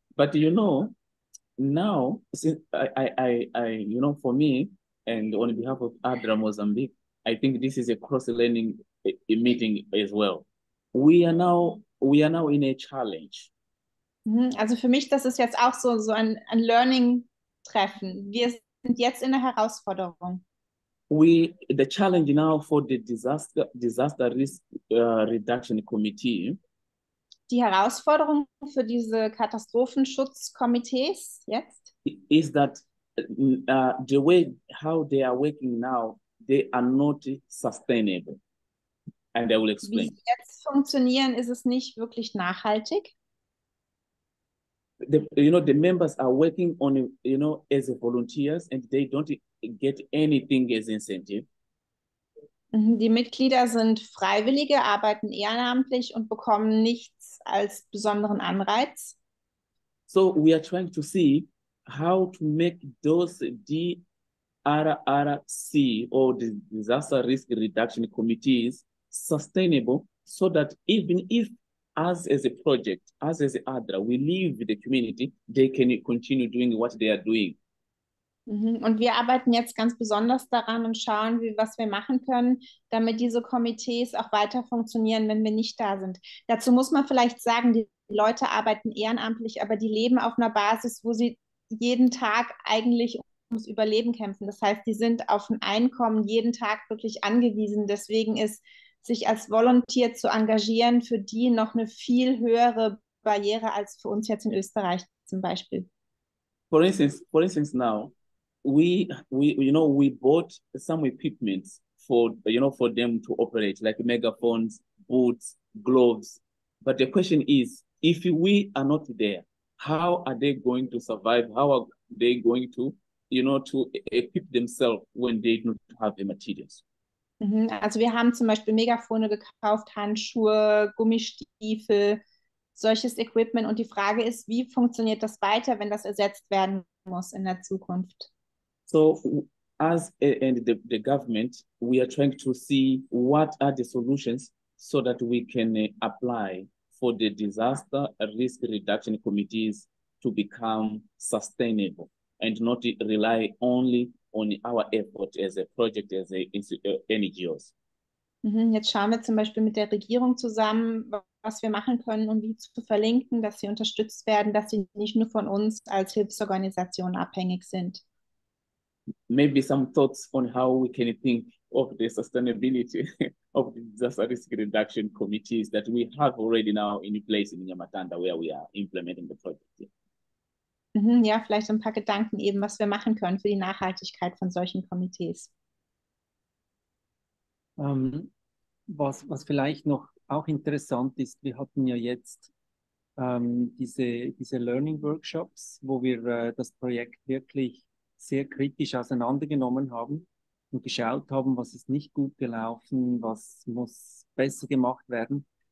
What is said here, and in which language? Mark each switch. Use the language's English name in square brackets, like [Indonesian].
[English] But you know, now since I you know, for me and on behalf of ADRA Mozambique, I think this is a cross-learning meeting as well. We are now in a challenge. [German] Also für mich, das ist jetzt auch so ein Learning-Treffen. Wir sind jetzt in einer Herausforderung. [English] The challenge now for the disaster risk reduction committee. [German] Die Herausforderung für diese Katastrophenschutzkomitees jetzt? [English] Is that the way how they are working now, they are not sustainable. And I will explain. [German] Wie sie jetzt funktionieren, ist es nicht wirklich nachhaltig. [English] The members are working on, you know, as volunteers and they don't get anything as incentive. [German] Die Mitglieder sind Freiwillige, arbeiten ehrenamtlich und bekommen nichts als besonderen Anreiz. [English] So we are trying to see how to make those DRRC or the Disaster Risk Reduction Committees sustainable, so that even if as a project, as ADRA, we leave the community, they can continue doing what they are doing. [German] Und wir arbeiten jetzt ganz besonders daran und schauen, was wir machen können, damit diese Komitees auch weiter funktionieren, wenn wir nicht da sind. Dazu muss man vielleicht sagen, die Leute arbeiten ehrenamtlich, aber die leben auf einer Basis, wo sie jeden Tag eigentlich ums Überleben kämpfen. Das heißt, die sind auf ein Einkommen jeden Tag wirklich angewiesen. Deswegen ist sich als Volunteer zu engagieren für die noch eine viel höhere Barriere als für uns jetzt in Österreich zum Beispiel. [English] For instance, now we bought some equipment for them to operate, like megaphones, boots, gloves. But the question is, if we are not there, how are they going to survive? How are they going to, you know, to equip themselves when they don't have the materials? [German] Also wir haben zum Beispiel Megafone gekauft, Handschuhe, Gummistiefel, solches Equipment. Und die Frage ist, wie funktioniert das weiter, wenn das ersetzt werden muss in der Zukunft? [English] So, as and the government, we are trying to see what are the solutions so that we can apply for the disaster risk reduction committees to become sustainable and not rely only on our effort as a project, as a NGOs. [German] Jetzt schauen wir zum Beispiel mit der Regierung zusammen, was wir machen können, um die zu verlinken, dass sie unterstützt werden, dass sie nicht nur von uns als Hilfsorganisation abhängig sind. [English] Maybe some thoughts on how we can think of the sustainability of the disaster risk reduction committees that we have already now in place in Nyamatanda, where we are implementing the project. [German] Ja, vielleicht ein paar Gedanken eben, was wir machen können für die Nachhaltigkeit von solchen Komitees. Was vielleicht noch auch interessant ist, wir hatten ja jetzt diese Learning Workshops, wo wir das Projekt wirklich sehr kritisch auseinandergenommen haben und geschaut haben, was ist nicht gut gelaufen, was muss besser gemacht werden.